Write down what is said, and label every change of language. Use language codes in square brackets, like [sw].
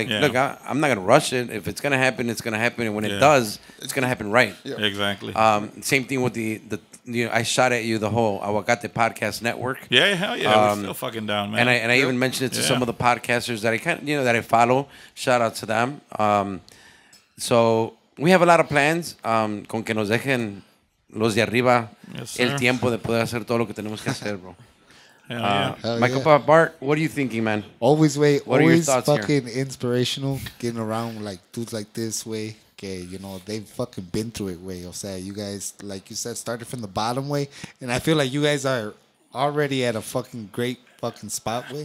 [en] Like, look, I'm not going to rush it. If it's going to happen, it's going to happen. And when it does, it's going to happen right. Yeah. Exactly. Same thing with the you know, I shot at you the whole Aguacate Podcast Network. Yeah, hell yeah. We're still fucking down, man. And I even mentioned it to some of the podcasters that I kind of, you know, that I follow. Shout out to them. So we have a lot of plans. [es] Con que nos dejen los de arriba el tiempo de poder hacer todo lo que tenemos que hacer, bro. [en] Bart, what are you thinking, man? Always fucking inspirational getting around like dudes like this way. Okay, you know, they've fucking been through it way. You guys, like you said, started from the bottom way. And I feel like you guys are already at a fucking great fucking spot way.